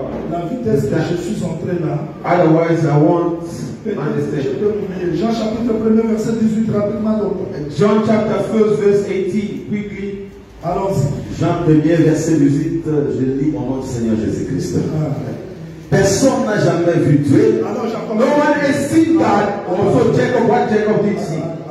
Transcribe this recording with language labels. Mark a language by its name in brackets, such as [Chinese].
[French] La vitesse que je suis entré là. [English] Otherwise, I won't understand. [French] Je peux oublier. Jean chapitre 1er, verset 18, rapidement. Donc. [English] John chapter 1st, verse 18, quickly. [French] Allons-y. Jean 1er, verset 18, je lis au nom du Seigneur Jésus-Christ. Ah. Personne n'a jamais vu Dieu. [English] No one has seen God. Also Jacob, what Jacob did see.